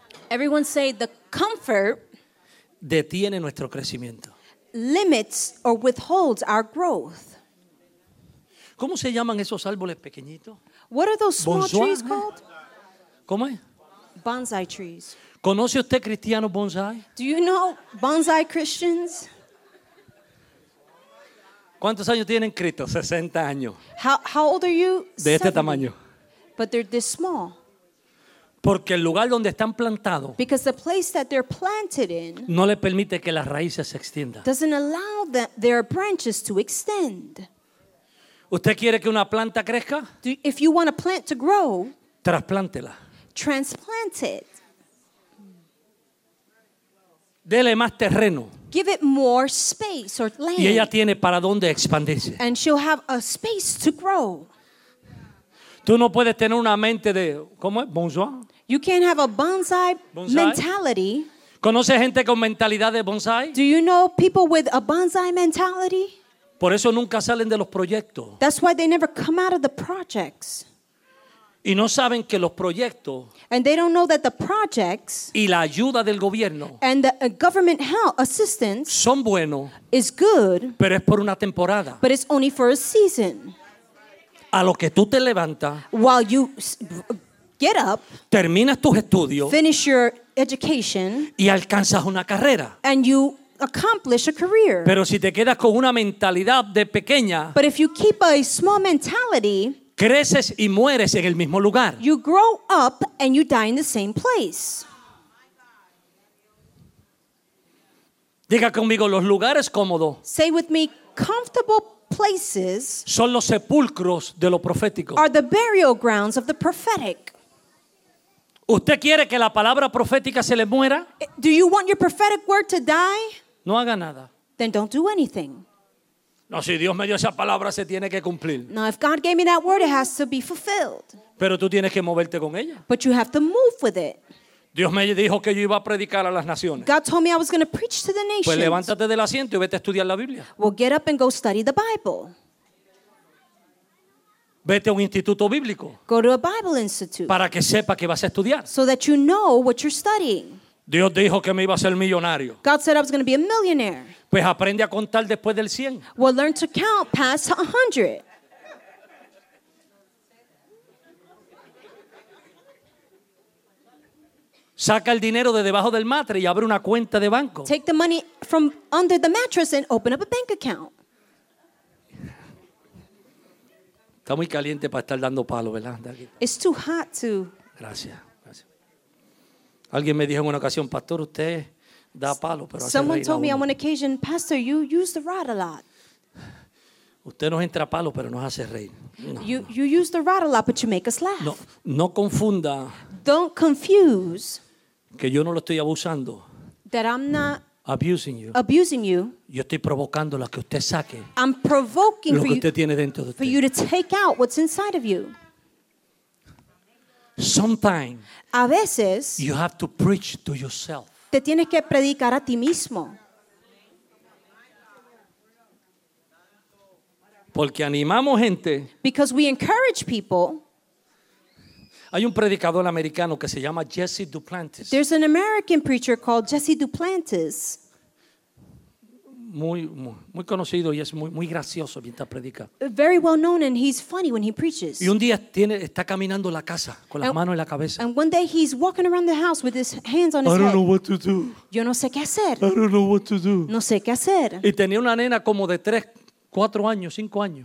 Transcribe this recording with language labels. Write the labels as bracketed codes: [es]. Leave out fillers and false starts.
[en] Everyone say the comfort [es] detiene nuestro crecimiento. [en] Limits or withholds our growth. [es] ¿Cómo se llaman esos árboles pequeñitos? [en] What are those small bonsai trees called? [es] ¿Cómo es? [en] Bonsai trees. [es] ¿Conoce usted cristianos bonsai? [en] Do you know bonsai Christians? [es] ¿Cuántos años tienen Cristo? 60 años. [en] How old are you? [es] De este 70. Tamaño. [en] But they're this small. [es] Porque el lugar donde están plantados [en] because the place that they're planted in [es] no le permite que las raíces se extiendan. [en] Doesn't allow their branches to extend. [es] ¿Usted quiere que una planta crezca? [en] If you want a plant to grow, [es] trasplántela. [en] Transplant it. [es] Dele más terreno. [en] Give it more space or land. [es] Y ella tiene para dónde expandirse. [en] And she'll have a space to grow. [es] Tú no puedes tener una mente de ¿cómo es? Bonsai. [en] You can't have a bonsai mentality. [es] ¿Conoce gente con mentalidad de bonsai? [en] Do you know people with a bonsai mentality? [es] Por eso nunca salen de los proyectos. [en] That's why they never come out of the projects. [es] Y no saben que los proyectos [en] and they don't know that the projects [es] y la ayuda del gobierno [en] and the government help assistance [es] son buenos [en] is good [es] pero es por una temporada [en] but it's only for a season [es] a lo que tú te levantas, [en] while you get up, [es] terminas tus estudios, [en] finish your education, [es] y alcanzas una carrera, [en] and you accomplish a career. [es] Pero si te quedas con una mentalidad de pequeña, [en] but if you keep a small mentality, [es] creces y mueres en el mismo lugar. [en] You grow up and you die in the same place. [es] Diga conmigo, los lugares cómodos. [en] Say with me, comfortable places. [es] Son los sepulcros de lo profético. [en] Are the burial grounds of the prophetic. [es] ¿Usted quiere que la palabra profética se le muera? [en] Do you want your prophetic word to die? [es] No haga nada. [en] Then don't do anything. [es] No, si Dios me dio esa palabra, se tiene que cumplir. [en] Now, if God gave me that word, it has to be fulfilled. [es] Pero tú tienes que moverte con ella. [en] But you have to move with it. [es] Dios me dijo que yo iba a predicar a las naciones. [en] God told me I was going to preach to the nations. [es] Pues levántate del asiento y vete a estudiar la Biblia. [en] Well, get up and go study the Bible. [es] Vete a un instituto bíblico. [en] Go to a Bible institute. [es] Para que sepa que vas a estudiar. [en] So that you know what you're studying. [es] Dios dijo que me iba a ser millonario. [en] God said I was going to be a millionaire. [es] Pues aprende a contar después del 100. [en] Well, learn to count past 100. [es] Saca el dinero de debajo del matre y abre una cuenta de banco. [en] Take the money from under the mattress and open up a bank account. [es] Está muy caliente para estar dando palo, ¿verdad? [en] It's too hot to... [es] Gracias. Alguien me dijo en una ocasión, pastor, usted da palo, pero hace reír a uno. [en] Someone told me on one occasion, pastor, you use the rod a lot. [es] Usted nos entra palo, pero nos hace reír. [en] You use the rod a lot, but you make us laugh. [es] No confunda. [en] Don't confuse. [es] Que yo no lo estoy abusando. [en] That I'm not abusing you. Abusing you. [es] Yo estoy provocando lo que usted saque. [en] I'm provoking [es] lo que usted tiene dentro de usted. [en] For you to take out what's inside of you. Sometimes. [es] A veces, [en] you have to preach to yourself. [es] Te tienes que predicar a ti mismo. Porque animamos gente. [en] Because we encourage people. [es] Hay un predicador americano que se llama Jesse Duplantis. [en] There's an American preacher called Jesse Duplantis. [es] Muy conocido y es muy gracioso mientras predica. [en] Very well known and he's funny when he preaches. [es] Y un día está caminando la casa con las manos en la cabeza. [en] And one day he's walking around the house with his hands on his head. I don't know what to do. [es] Yo no sé qué hacer. [en] I don't know what to do. [es] No sé qué hacer. Y tenía una nena como de 3-4 años, 5 años.